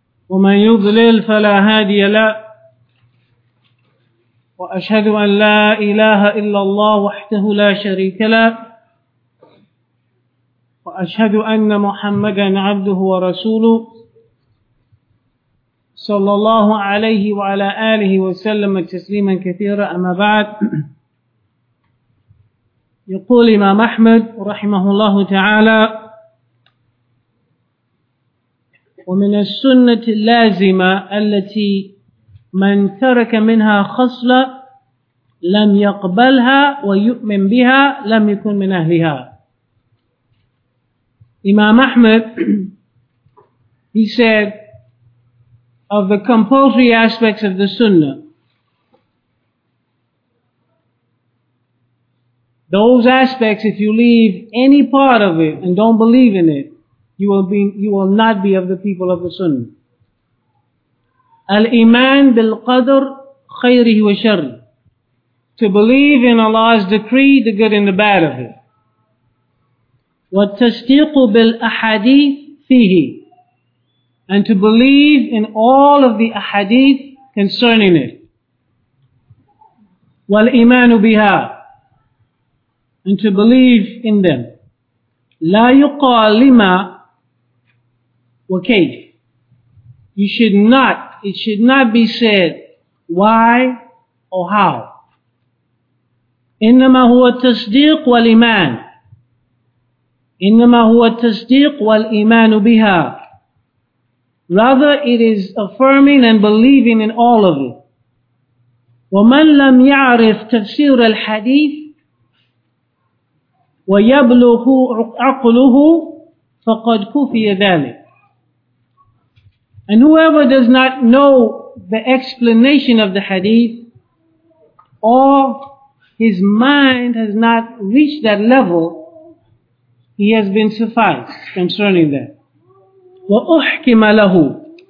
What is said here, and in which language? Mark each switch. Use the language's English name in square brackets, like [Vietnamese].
[Arabic] ومن يضلل فلا هادي له وأشهد أن لا إله إلا الله وحده لا شريك له وأشهد أن محمدا عبده ورسوله صلى الله عليه وعلى آله وسلم تسليما كثيرا أما بعد يقول الإمام أحمد رحمه الله تعالى ومن السنة اللازمة التي من ترك منها خصلة لم يقبلها ويؤمن بها لم يكن من أهلها. [English] Imam Ahmad, he said, of the compulsory aspects of the Sunnah, those aspects, if you leave any part of it and don't believe in it, you will not be of the people of the Sunnah. [Arabic] Al-Iman bil Qadr khayrihi wa sharri. [English] To believe in Allah's decree, the good and the bad of it. [Arabic] Wa tasdiqu bil ahadith fihi. [English] And to believe in all of the ahadith concerning it. [Arabic] Wal imanu biha. [English] And to believe in them. [Arabic] La yuqal lima وكيف. [English] It should not be said why or how. [Arabic] إنما هو التصديق والإيمان. إنما هو التصديق والإيمان بها. [English] Rather it is affirming and believing in all of it. [Arabic] ومن لم يعرف تفسير الحديث ويبلغ عقله فقد كفي ذلك. [English] And whoever does not know the explanation of the hadith, or his mind has not reached that level, he has been sufficed concerning that. [Arabic] وَأُحْكِمَ لَهُ.